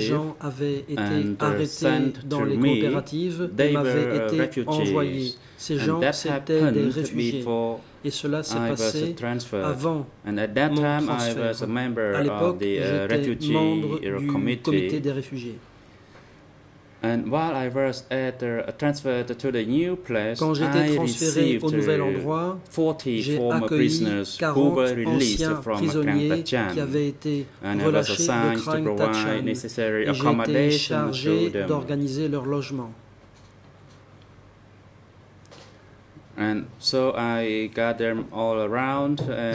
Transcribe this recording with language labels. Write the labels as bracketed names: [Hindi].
[French] Ces gens avaient été arrêtés dans les coopératives et m'avaient été envoyés. Ces gens étaient des réfugiés. Et cela s'est passé avant mon transfert. À l'époque, j'étais membre du comité des réfugiés. [English] And while I was at transferred to the new place, [French] quand j'étais transféré au nouvel endroit, j'ai accueilli 40 anciens prisonniers qui avaient été relâchés de Krang Tachan et j'ai été chargé d'organiser leur logement. [English] And so I got them all around and,